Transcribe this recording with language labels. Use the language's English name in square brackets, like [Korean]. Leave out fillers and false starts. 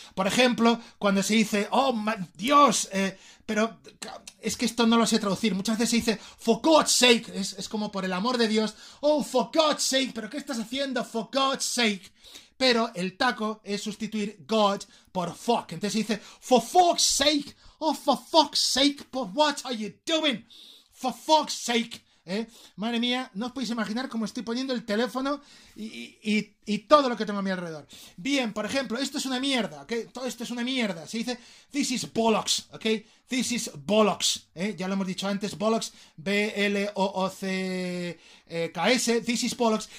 [Spanish] Por ejemplo, cuando se dice, oh, Dios, pero es que esto no lo sé traducir. Muchas veces se dice, for God's sake, es como por el amor de Dios, [English] oh, for God's sake, [Spanish] pero ¿qué estás haciendo? For God's sake. Pero el taco es sustituir God por fuck. Entonces se dice, [English] for fuck's sake, oh, for fuck's sake, but what are you doing? For fuck's sake, [Spanish] Madre mía, no os podéis imaginar cómo estoy poniendo el teléfono y todo lo que tengo a mi alrededor. Bien, por ejemplo, esto es una mierda, ¿ok? Todo esto es una mierda. Se dice, this is bollocks, ¿ok? [English] This is bollocks, [Spanish] ya lo hemos dicho antes, bollocks, B-L-O-O-C-K-S, this is bollocks.